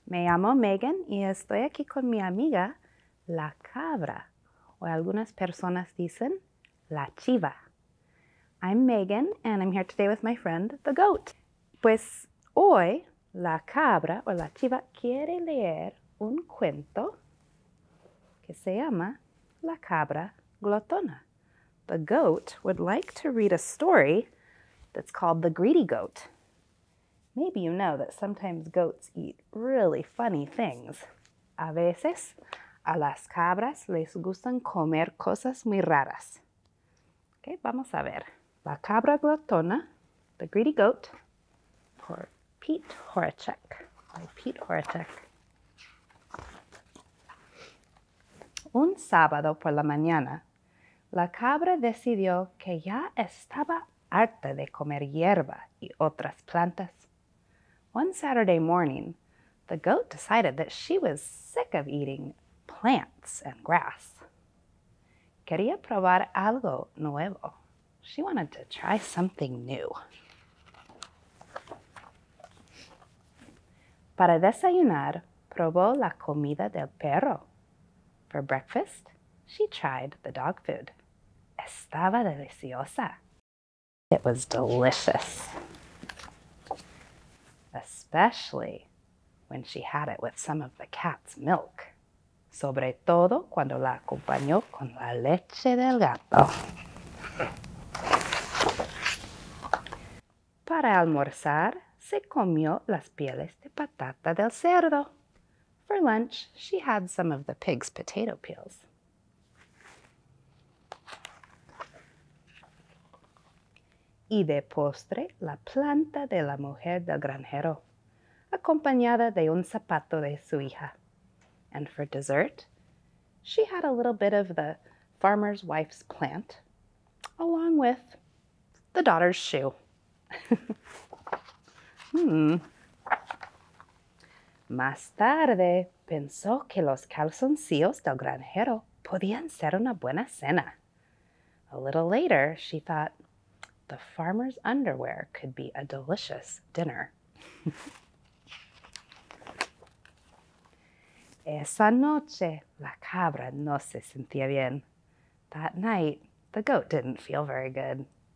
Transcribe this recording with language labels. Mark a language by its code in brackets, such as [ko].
[es] Me llamo Megan y estoy aquí con mi amiga, la cabra. O algunas personas dicen, la chiva. [en] I'm Megan and I'm here today with my friend, the goat. [es] Pues hoy, la cabra o la chiva quiere leer un cuento que se llama La cabra glotona. [en] The goat would like to read a story that's called The Greedy Goat. Maybe you know that sometimes goats eat really funny things. [es] A veces, a las cabras les gustan comer cosas muy raras. Okay, vamos a ver. La cabra glotona, [en] the greedy goat, [es] por Pete Horacek. [en] By Pete Horacek. [es] Un sábado por la mañana, la cabra decidió que ya estaba harta de comer hierba y otras plantas. [en] One Saturday morning, the goat decided that she was sick of eating plants and grass. [es] Quería probar algo nuevo. [en] She wanted to try something new. [es] Para desayunar, probó la comida del perro. [en] For breakfast, she tried the dog food. [es] Estaba deliciosa. [en] It was delicious. Especially when she had it with some of the cat's milk. [es] Sobre todo cuando la acompañó con la leche del gato. Para almorzar, se comió las pieles de patata del cerdo. [en] For lunch, she had some of the pig's potato peels. [es] Y de postre, la planta de la mujer del granjero, acompañada de un zapato de su hija. [en] And for dessert, she had a little bit of the farmer's wife's plant, along with the daughter's shoe. [es] Más tarde, pensó que los calzoncillos del granjero podían ser una buena cena. [en] A little later, she thought, the farmer's underwear could be a delicious dinner. [es] Esa noche, la cabra no se sentía bien. [en] That night, the goat didn't feel very good.